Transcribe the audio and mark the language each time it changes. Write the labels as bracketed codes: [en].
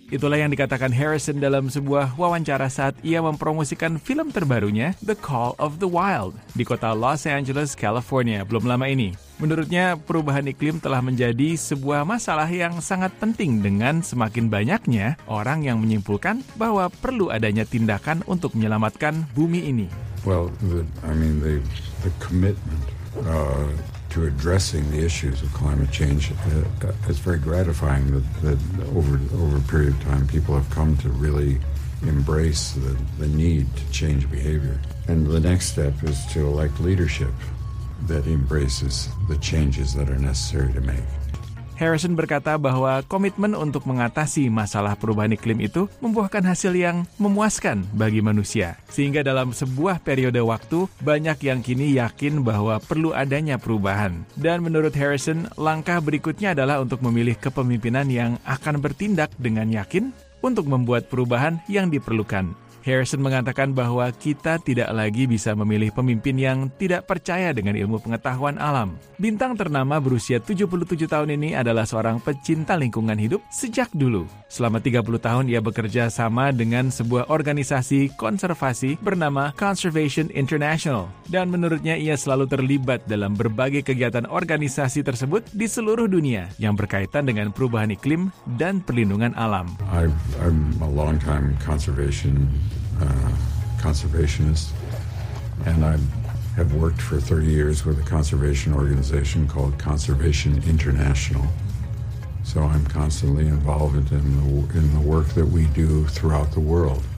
[id] Itulah yang dikatakan Harrison dalam sebuah wawancara saat ia mempromosikan film terbarunya, The Call of the Wild, di kota Los Angeles, California, belum lama ini. Menurutnya, perubahan iklim telah menjadi sebuah masalah yang sangat penting dengan semakin banyaknya orang yang menyimpulkan bahwa perlu adanya tindakan untuk menyelamatkan bumi ini. [en] Well, the commitment to addressing the issues of climate change, it's very gratifying that over a period of time people have come to really embrace the need to change behavior. And the next step is to elect leadership that embraces the changes that are necessary to make. [id] Harrison berkata bahwa komitmen untuk mengatasi masalah perubahan iklim itu membuahkan hasil yang memuaskan bagi manusia. Sehingga dalam sebuah periode waktu, banyak yang kini yakin bahwa perlu adanya perubahan. Dan menurut Harrison, langkah berikutnya adalah untuk memilih kepemimpinan yang akan bertindak dengan yakin untuk membuat perubahan yang diperlukan. Harrison mengatakan bahwa kita tidak lagi bisa memilih pemimpin yang tidak percaya dengan ilmu pengetahuan alam. Bintang ternama berusia 77 tahun ini adalah seorang pecinta lingkungan hidup sejak dulu. Selama 30 tahun ia bekerja sama dengan sebuah organisasi konservasi bernama Conservation International. Dan menurutnya ia selalu terlibat dalam berbagai kegiatan organisasi tersebut di seluruh dunia yang berkaitan dengan perubahan iklim dan perlindungan alam. [en] I'm a long time conservationist, and I have worked for 30 years with a conservation organization called Conservation International. So I'm constantly involved in the work that we do throughout the world.